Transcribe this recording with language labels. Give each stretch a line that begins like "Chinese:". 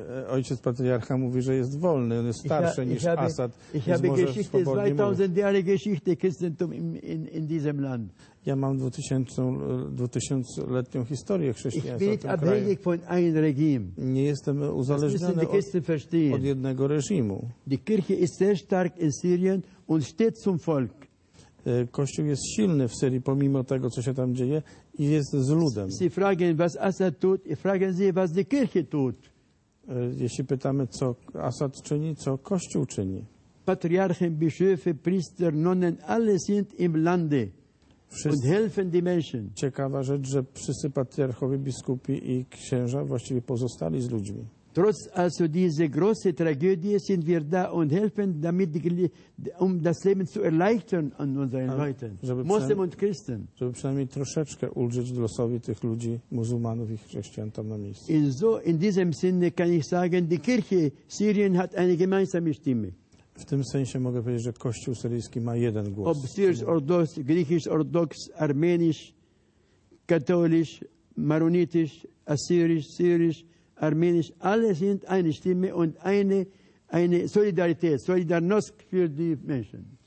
Polish: Ojciec patriarcha mówi, że jest wolny, on jest starszy niż Assad.
German: Ich habe Geschichte, 2000 Jahre Geschichte Christentum in diesem Land.
Polish: Ja mam 2000-letnią historię chrześcijaństwa.
German: Ich bin abhängig von einem Regime.
Polish: Nie jestem uzależniony od jednego reżimu.
German: Die Kirche ist sehr stark in Syrien und steht zum Volk.
Polish: Kościół jest silny w Syrii, pomimo tego, co się tam dzieje, i jest z ludem.
German: Sie fragen, was Assad tut, fragen Sie, was die Kirche tut.
Polish: Jeśli pytamy, co Assad czyni, co Kościół czyni.
German: Patriarchen, Bischöfe, Priester, Nonnen, alle sind im Lande. Und helfen die Menschen.
Polish: Ciekawa rzecz, że wszyscy patriarchowie, biskupi i księża właściwie pozostali z ludźmi.
German: Trotz also diese große Tragödie sind wir da und helfen damit die, das Leben zu erleichtern an unseren Leuten, Muslimen und Christen.
Polish: Żeby przynajmniej troszeczkę ulżyć losowi tych ludzi, muzułmanów i chrześcijan tam na miejscu.
German: In so in diesem Sinne kann ich sagen, die Kirche Syrien hat eine gemeinsame Stimme.
Polish: W tym sensie mogę powiedzieć, że Kościół syryjski ma jeden głos.
German: Ob Syrisch Orthodox, Griechisch Orthodox, Armenisch, Katholisch, Maronitisch, Assyrisch, Syrisch, Armenisch, alle sind eine Stimme und eine Solidarität, Solidarność für die Menschen.